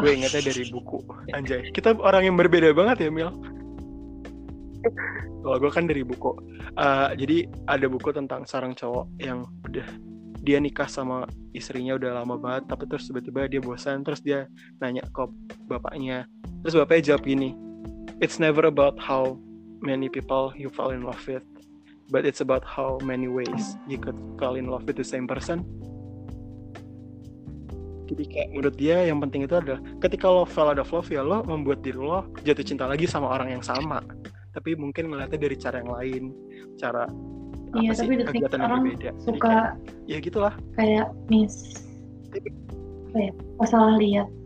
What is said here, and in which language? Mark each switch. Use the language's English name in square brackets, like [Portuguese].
[Indonesian] Gue ingatnya dari buku. Anjay, kita orang yang berbeda banget ya, Mil. Kalau gue kan dari buku. Jadi ada buku tentang seorang cowok yang udah dia nikah sama istrinya udah lama banget, tapi terus tiba-tiba dia bosan, terus dia nanya ke bapaknya. Terus bapaknya jawab gini, [English] "It's never about how many people you fall in love with, but it's about how many ways you could fall in love with the same person." [Indonesian] Jadi kayak menurut dia yang penting itu adalah ketika lo [English] fell out of love, [Indonesian] ya lo membuat diri lo jatuh cinta lagi sama orang yang sama, tapi mungkin ngeliatnya dari cara yang lain, cara Iya, apa sih, [English] tapi the thing [Indonesian] kegiatan yang orang berbeda. Jadi suka kayak ya gitulah. kayak miss apa ya, oh, salah lihat.